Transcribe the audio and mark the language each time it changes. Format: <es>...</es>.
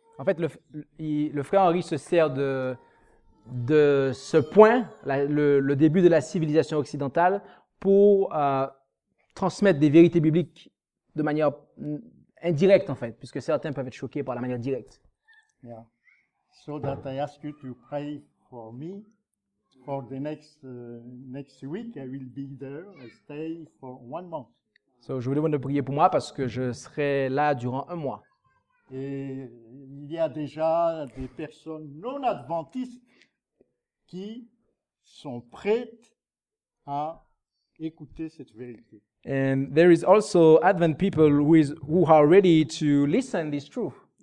<fr>En fait, le frère Henri se sert de ce point, le début de la civilisation occidentale, pour transmettre des vérités bibliques de manière indirecte, en fait, puisque certains peuvent être choqués par la manière directe.</fr> <en>Yeah. So that I ask you to pray for me for the next week. I will be there. I stay for 1 month.</en> <fr>So, je vous demande de prier pour moi parce que je serai là durant un mois. Et il y a déjà des personnes non adventistes qui sont prêtes à écouter cette vérité.</fr> <en>And there is also Advent people who are ready to listen this truth.</en>